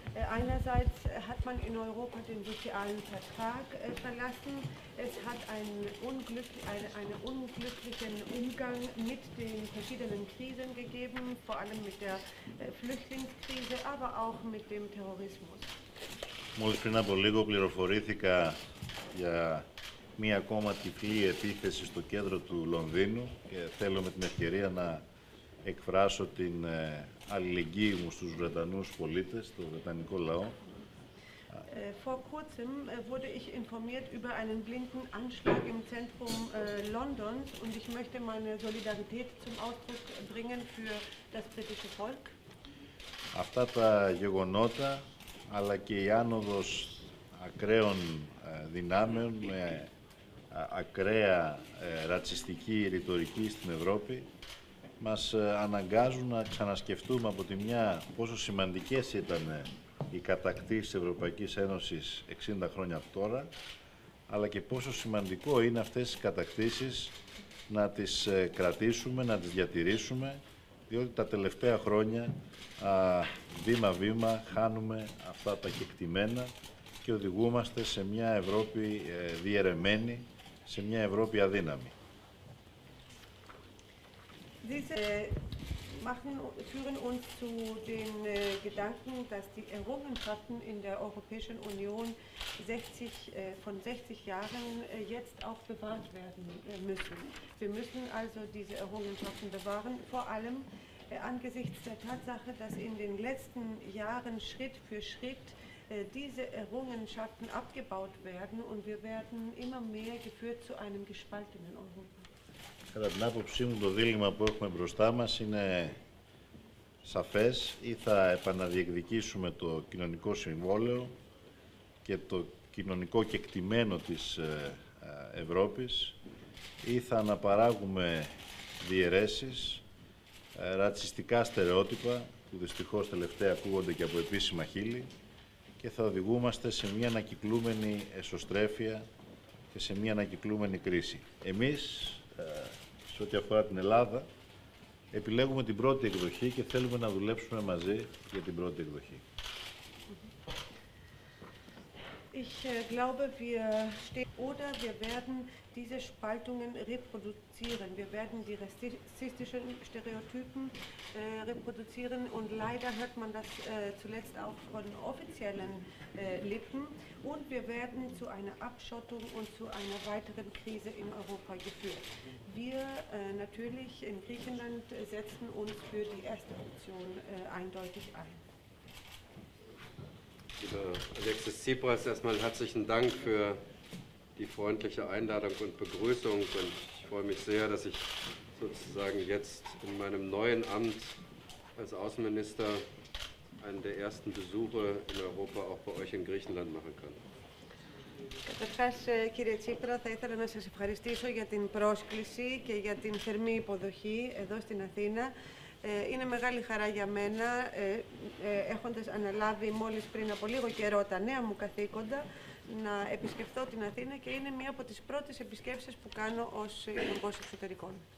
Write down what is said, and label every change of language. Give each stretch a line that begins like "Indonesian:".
German: Einerseits hat man in Europa den sozialen Vertrag verlassen. Es hat einen unglücklichen Umgang mit den verschiedenen Krisen gegeben, vor allem mit der Flüchtlingskrise, aber auch mit dem Terrorismus.
Greek: Μόλις πριν από λίγο πληροφορήθηκα για μία ακόμα τυφλή επίθεση στο κέντρο του Λονδίνου και θέλω με την ευκαιρία να εκφράσω την αλληλεγγύη μου στους Βρετανούς πολίτες, στο βρετανικό λαό.
German: Vor kurzem wurde ich informiert über einen blinden Anschlag im Zentrum Londons und ich möchte meine Solidarität zum Ausdruck bringen für das britische Volk.
Greek: Αυτά τα γεγονότα, αλλά και η άνοδος ακραίων δυνάμεων με ακραία ρατσιστική ρητορική στην Ευρώπη, μας αναγκάζουν να ξανασκεφτούμε από τη μια πόσο σημαντικές ήταν οι κατακτήσεις της Ευρωπαϊκής Ένωσης 60 χρόνια από τώρα, αλλά και πόσο σημαντικό είναι αυτές τις κατακτήσεις να τις κρατήσουμε, να τις διατηρήσουμε, διότι τα τελευταία χρόνια βήμα-βήμα χάνουμε αυτά τα κεκτημένα και οδηγούμαστε σε μια Ευρώπη διαιρεμένη, σε μια Ευρώπη αδύναμη.
German: Diese führen uns zu den Gedanken, dass die Errungenschaften in der Europäischen Union von 60 Jahren jetzt auch bewahrt werden müssen. Wir müssen also diese Errungenschaften bewahren, vor allem angesichts der Tatsache, dass in den letzten Jahren Schritt für Schritt diese Errungenschaften abgebaut werden und wir werden immer mehr geführt zu einem gespaltenen Europa.
Greek: Κατά την άποψή μου, το δίλημα που έχουμε μπροστά μας είναι σαφές. Ή θα επαναδιεκδικήσουμε το κοινωνικό συμβόλαιο και το κοινωνικό κεκτημένο της Ευρώπης, ή θα αναπαράγουμε διαιρέσεις, ρατσιστικά στερεότυπα, που δυστυχώς τελευταία ακούγονται και από επίσημα χείλη, και θα οδηγούμαστε σε μια ανακυκλούμενη εσωστρέφεια και σε μια ανακυκλούμενη κρίση. Εμείς, σε ό,τι αφορά την Ελλάδα, επιλέγουμε την πρώτη εκδοχή και θέλουμε να δουλέψουμε μαζί για την πρώτη εκδοχή.
German: Ich glaube, wir stehen oder wir werden diese Spaltungen reproduzieren. Wir werden die rassistischen Stereotypen reproduzieren und leider hört man das zuletzt auch von offiziellen Lippen. Und wir werden zu einer Abschottung und zu einer weiteren Krise in Europa geführt. Wir natürlich in Griechenland setzen uns für die erste Option eindeutig ein. Alexis Tsipras, erstmal herzlichen Dank für die freundliche Einladung und Begrüßung. Und ich freue mich sehr, dass ich sozusagen jetzt in meinem neuen Amt als Außenminister einen der ersten Besuche in Europa auch bei euch in Griechenland machen kann.
Greek: Καταρχάς, κύριε Τσίπρα, θα ήθελα να σας ευχαριστήσω για την πρόσκληση και για την θερμή υποδοχή εδώ στην Αθήνα. Είναι μεγάλη χαρά για μένα, έχοντας αναλάβει μόλις πριν από λίγο καιρό τα νέα μου καθήκοντα, να επισκεφτώ την Αθήνα και είναι μία από τις πρώτες επισκέψεις που κάνω ως Υπουργός Εξωτερικών.